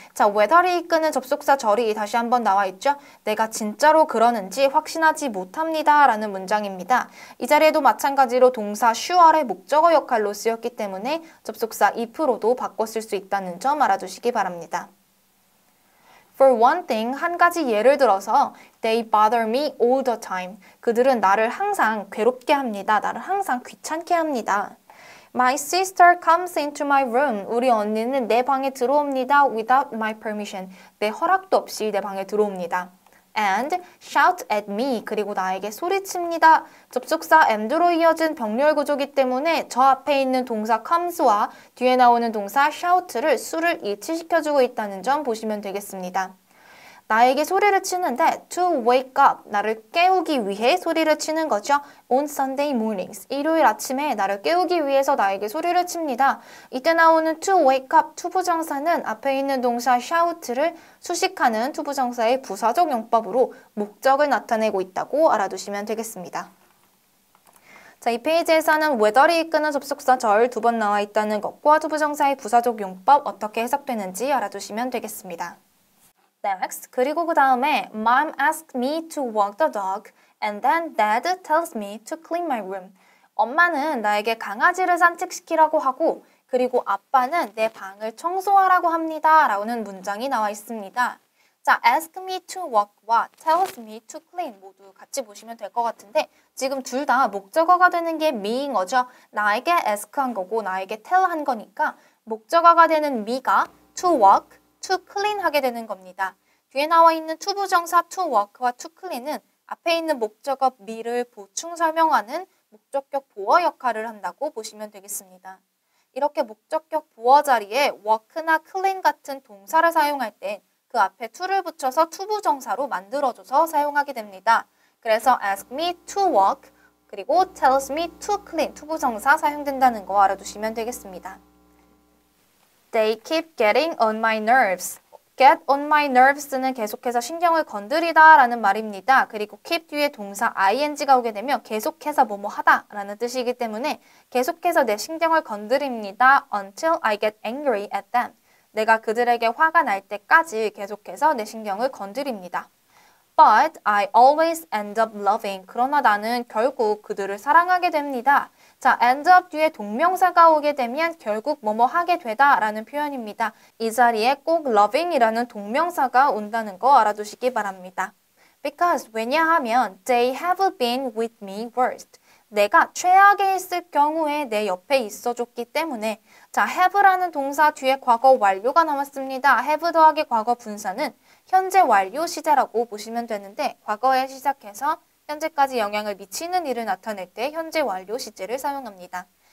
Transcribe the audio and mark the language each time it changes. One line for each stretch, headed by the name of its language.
Korean: 자, whether이 이끄는 접속사 절이 다시 한번 나와 있죠? 내가 진짜로 그러는지 확신하지 못합니다라는 문장입니다. 이 자리에도 마찬가지로 동사 sure의 목적어 역할로 쓰였기 때문에 접속사 if로도 바꿔 쓸수 있다는 점 알아두시기 바랍니다.
English: For one thing,
Korean: 한 가지 예를 들어서
English: they bother me all the time.
Korean: 그들은 나를 항상 괴롭게 합니다. 나를 항상 귀찮게 합니다.
English: My sister comes into my room.
Korean: 우리 언니는 내 방에 들어옵니다.
English: Without my permission.
Korean: 내 허락도 없이 내 방에 들어옵니다.
English: And shout at me.
Korean: 그리고 나에게 소리칩니다. 접속사 and로 이어진 병렬 구조이기 때문에 저 앞에 있는 동사 comes와 뒤에 나오는 동사 shout를 수를 일치시켜주고 있다는 점 보시면 되겠습니다. 나에게 소리를 치는데
English: to wake up,
Korean: 나를 깨우기 위해 소리를 치는 거죠.
English: On Sunday mornings,
Korean: 일요일 아침에 나를 깨우기 위해서 나에게 소리를 칩니다. 이때 나오는 to wake up, 투부정사는 앞에 있는 동사 shout를 수식하는 투부정사의 부사적 용법으로 목적을 나타내고 있다고 알아두시면 되겠습니다. 자, 이 페이지에서는 whether이 이끄는 접속사 절두번 나와 있다는 것과 투부정사의 부사적 용법 어떻게 해석되는지 알아두시면 되겠습니다.
English: Next,
Korean: 그리고 그 다음에
English: Mom asked me to walk the dog and then Dad tells me to clean my room.
Korean: 엄마는 나에게 강아지를 산책시키라고 하고 그리고 아빠는 내 방을 청소하라고 합니다. 라는 문장이 나와 있습니다. 자,
English: ask me to walk
Korean: 와
English: tells me to clean
Korean: 모두 같이 보시면 될것 같은데 지금 둘다 목적어가 되는 게 me인 거죠. 나에게 ask한 거고 나에게 tell 한 거니까 목적어가 되는 me가 to walk, to clean 하게 되는 겁니다. 뒤에 나와 있는 투부정사 to walk와 to clean은 앞에 있는 목적어 me를 보충 설명하는 목적격 보어 역할을 한다고 보시면 되겠습니다. 이렇게 목적격 보어 자리에 walk나 clean 같은 동사를 사용할 때그 앞에 to를 붙여서 투부정사로 만들어줘서 사용하게 됩니다. 그래서 ask me to walk 그리고 tells me to clean 투부정사 사용된다는 거 알아두시면 되겠습니다.
English: They keep getting on my nerves.
Korean: Get on my nerves는 계속해서 신경을 건드리다라는 말입니다. 그리고 keep 뒤에 동사 ing가 오게 되면 계속해서 뭐뭐 하다라는 뜻이기 때문에 계속해서 내 신경을 건드립니다.
English: Until I get angry at them.
Korean: 내가 그들에게 화가 날 때까지 계속해서 내 신경을 건드립니다.
English: But I always end up loving.
Korean: 그러나 나는 결국 그들을 사랑하게 됩니다. 자, end up 뒤에 동명사가 오게 되면 결국 뭐뭐 하게 되다라는 표현입니다. 이 자리에 꼭 loving이라는 동명사가 온다는 거 알아두시기 바랍니다.
English: Because 왜냐하면 they have been with me worst.
Korean: 내가 최악에 있을 경우에 내 옆에 있어줬기 때문에 자, have라는 동사 뒤에 과거 완료가 남았습니다. have 더하기 과거 분사는 현재 완료 시제라고 보시면 되는데 과거에 시작해서 현재까지 영향을 미치는 일을 나타낼 때 현재 완료 시제를 사용합니다.